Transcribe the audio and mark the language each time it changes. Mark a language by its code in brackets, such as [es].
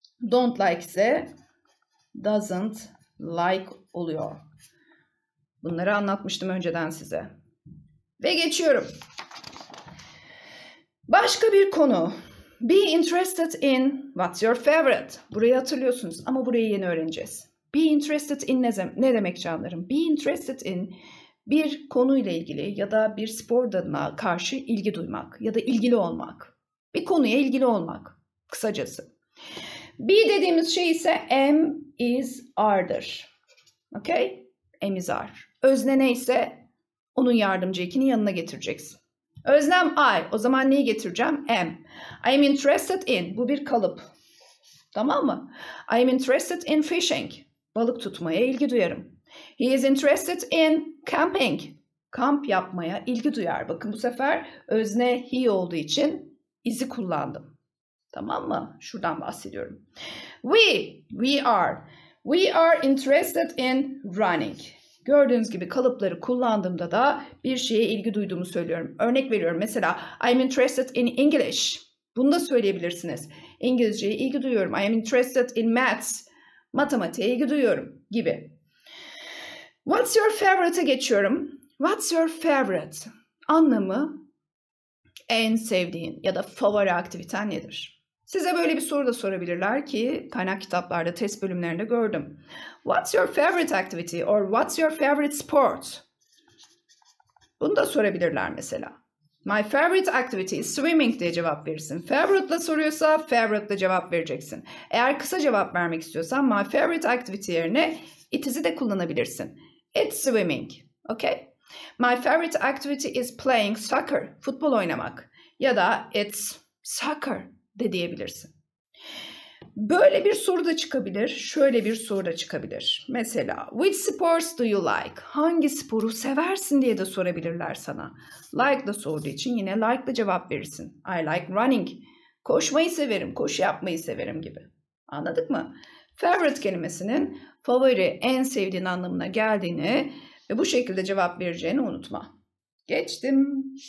[tr] Don't like ise doesn't like oluyor. Bunları anlatmıştım önceden size. Ve geçiyorum. Başka bir konu. [en] Be interested in what's your favorite? [tr] Burayı hatırlıyorsunuz ama burayı yeni öğreneceğiz. Be interested in ne demek canlarım? Be interested in bir konuyla ilgili ya da bir spor dalına karşı ilgi duymak ya da ilgili olmak. Bir konuya ilgili olmak kısacası. Be dediğimiz şey ise am, is, are'dır. Okay? Am, is, are. Özne neyse onun yardımcı ekini yanına getireceksin. Öznem I. O zaman neyi getireceğim? Am. [en] I am interested in. [tr] Bu bir kalıp. Tamam mı? [en] I am interested in fishing. [tr] Balık tutmaya ilgi duyarım. [en] He is interested in camping. [tr] Kamp yapmaya ilgi duyar. Bakın bu sefer özne he olduğu için is'i kullandım. Tamam mı? Şuradan bahsediyorum. [en] We are. We are interested in running. [tr] Gördüğünüz gibi kalıpları kullandığımda da bir şeye ilgi duyduğumu söylüyorum. Örnek veriyorum mesela [en] I am interested in English. [tr] Bunu da söyleyebilirsiniz. İngilizceye ilgi duyuyorum. [en] I am interested in maths. [tr] Matematiğe ilgi duyuyorum gibi. What's your favorite'a geçiyorum. [en] What's your favorite? [tr] Anlamı en sevdiğin ya da favori aktiviten nedir? Size böyle bir soru da sorabilirler ki kaynak kitaplarda, test bölümlerinde gördüm. [en] What's your favorite activity or what's your favorite sport? [tr] Bunu da sorabilirler mesela. [en] My favorite activity is swimming [tr] diye cevap verirsin. Favorite ile soruyorsa favorite ile cevap vereceksin. Eğer kısa cevap vermek istiyorsan my favorite activity yerine it is'i de kullanabilirsin. [en] It's swimming. Okay? My favorite activity is playing soccer. [tr] Futbol oynamak. Ya da it's soccer de diyebilirsin. Böyle bir soru da çıkabilir. Şöyle bir soru da çıkabilir. [en] Mesela which sports do you like? [tr] Hangi sporu seversin diye de sorabilirler sana. Like da sorduğu için yine like'la cevap verirsin. [en] I like running. [tr] Koşmayı severim, koşu yapmayı severim gibi. Anladık mı? Favorite kelimesinin favori, en sevdiğin anlamına geldiğini ve bu şekilde cevap vereceğini unutma. Geçtim.